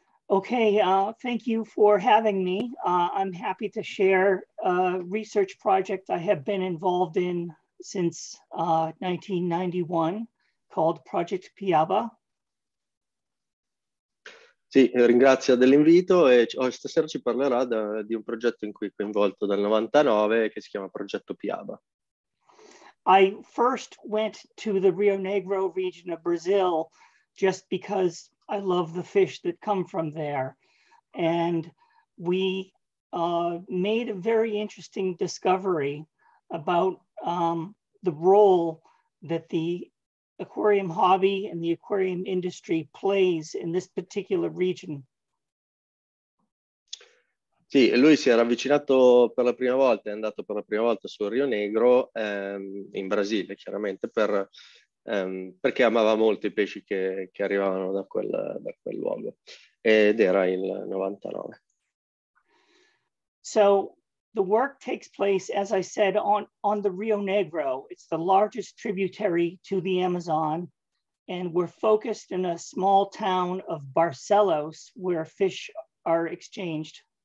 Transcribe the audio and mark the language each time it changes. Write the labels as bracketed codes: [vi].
[en] Okay, thank you for having me. I'm happy to share a research project I have been involved in since 1991 called Project Piaba. [it] Sì, ringrazio dell'invito e stasera ci parlerà di un progetto in cui è coinvolto dal 99 che si chiama Progetto Piaba. [en] I first went to the Rio Negro region of Brazil just because I love the fish that come from there. And we made a very interesting discovery about the role that the aquarium hobby and the aquarium industry plays in this particular region. [it] Sì, lui si era avvicinato per la prima volta, è andato per la prima volta sul Rio Negro, in Brasile, chiaramente, perché amava molto i pesci che arrivavano da quel luogo. Ed era il 99. [en] So, the work takes place, as I said, on the Rio Negro. It's the largest tributary to the Amazon. And we're focused in a small town of Barcelos, where fish are exchanged.